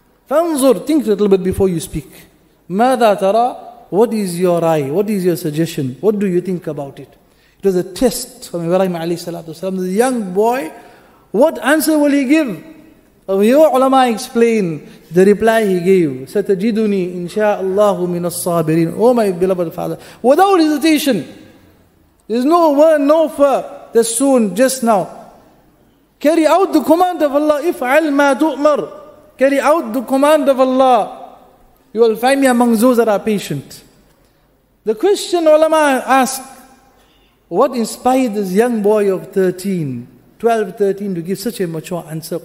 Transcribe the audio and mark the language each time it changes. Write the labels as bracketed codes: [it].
[ar] فانظر, [en] think a little bit before you speak. [ar] ماذا ترى? [en] What is your eye? What is your suggestion? What do you think about it? It was a test from Ibrahim alayhi salatu wasalam. The young boy, what answer will he give? Your ulama explain the reply he gave. [ar] ستجدني إن شاء الله من الصابرين. [en] Oh my beloved father, without hesitation, there's no word, no fear. That soon, just now, carry out the command of Allah. [ar] افعل ما تؤمر. [en] Carry out the command of Allah. You will find me among those that are patient. The question ulama ask, what inspired this young boy of 12, 13 to give such a mature answer?